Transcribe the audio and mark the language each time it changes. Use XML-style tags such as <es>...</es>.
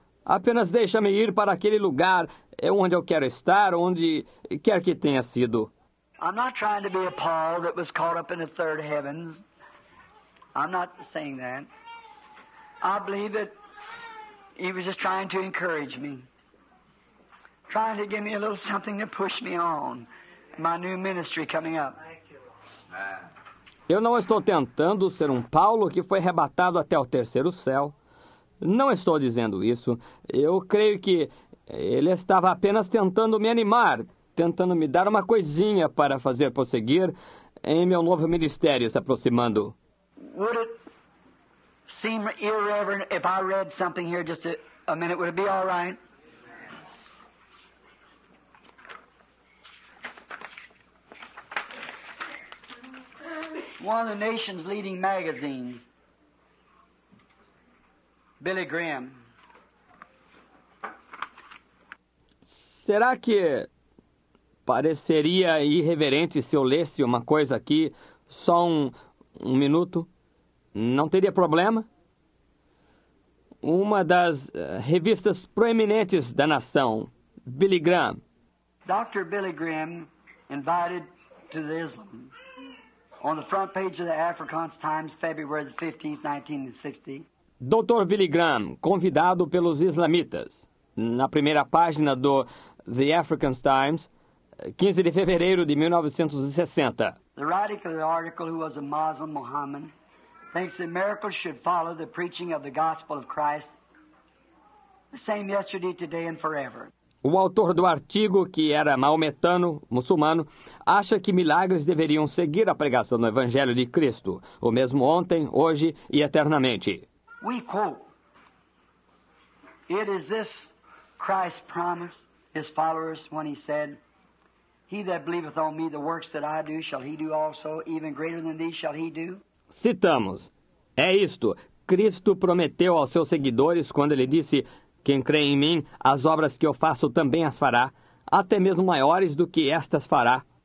<pt>Apenas deixa-me ir para aquele lugar onde eu quero estar, onde quer que tenha sido.</pt> <en>I'm not trying to be a Paul that was caught up in the third heavens. I'm not saying that. I believe that he was just trying to encourage me. Trying to give me a little something to push me on. My new ministry coming up.</en> <pt>Eu não estou tentando ser um Paulo que foi arrebatado até o terceiro céu. Não estou dizendo isso. Eu creio que ele estava apenas tentando me animar, tentando me dar uma coisinha para fazer prosseguir em meu novo ministério se aproximando.</pt> <en>Would it seem irreverent if I read something here just a minute? Would it be all right? One of the nation's leading magazines, Billy Graham.</en> <pt>Será que pareceria irreverente se eu lesse uma coisa aqui, só um minuto? Não teria problema? Uma das revistas proeminentes da nação, Billy Graham.</pt> <en>Dr. Billy Graham invited to the Islam. On the front page of the Afrikaans Times, February the 15th, 1960. Dr.</en> <pt>Billy Graham, convidado pelos islamitas, na primeira página do The African Times, 15 de fevereiro de 1960.</pt> <en>The writer of the article, who was a Muslim, Muhammad, thinks that miracles should follow the preaching of the gospel of Christ, the same yesterday, today, and forever.</en> <pt>O autor do artigo, que era maometano, muçulmano, acha que milagres deveriam seguir a pregação do Evangelho de Cristo, o mesmo ontem, hoje e eternamente.</pt> <en>We quote. It is this Christ promised his followers when he said, "He that believeth on me, the works that I do, shall he do also, even greater than these shall he do."</en> <pt>Citamos. É isto. Cristo prometeu aos seus seguidores quando ele disse, "Quem crê em mim, as obras que eu faço também as fará, até mesmo maiores do que estas fará."</pt>